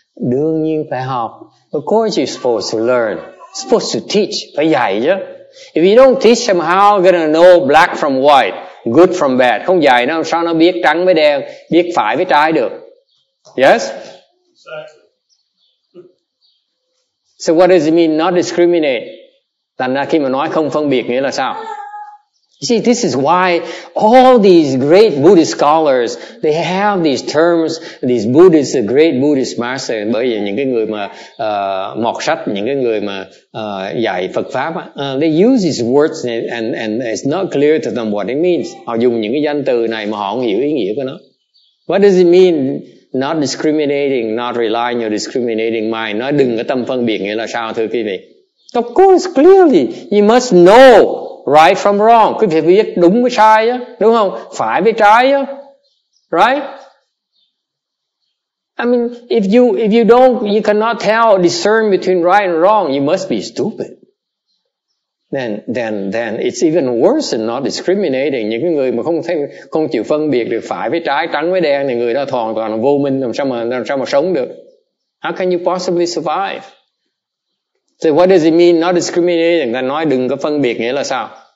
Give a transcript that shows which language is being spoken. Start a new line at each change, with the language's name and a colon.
Vietnamese: Đương nhiên phải học.
English: Of course you're supposed to learn. Supposed to teach.
Vietnamese: Phải dạy chứ.
English: If you don't teach them how they're gonna know black from white, good from bad.
Vietnamese: Không dạy nó sao nó biết trắng với đen, biết phải với trái được.
English: Yes? So what does it mean not discriminate?
Vietnamese: Thành ra khi mà nói không phân biệt nghĩa là sao?
English: You see, this is why all these great Buddhist scholars, they have these terms, these Buddhists, the great Buddhist masters,
Vietnamese: bởi vì những cái người mà mọt sách, những cái người mà dạy Phật Pháp,
English: they use these words and it's not clear to them what it means.
Vietnamese: Họ dùng những cái danh từ này mà họ không hiểu ý nghĩa của nó.
English: What does it mean not discriminating, not relying on your discriminating mind?
Vietnamese: Nói đừng có tâm phân biệt nghĩa là sao, thưa quý vị?
English: Of course, clearly, you must know right from wrong.
Vietnamese: Quý vị biết đúng với sai á, đúng không? Phải với trái á.
English: Right? I mean, if you don't, you cannot tell, discern between right and wrong, you must be stupid. Then it's even worse than not discriminating.
Vietnamese: Những cái người mà không chịu phân biệt được phải với trái, trắng với đen thì người đó hoàn toàn là vô minh, làm sao mà sống được?
English: How can you possibly survive? So what does it mean not discriminating?
Vietnamese: Người ta nói đừng có phân biệt nghĩa là sao?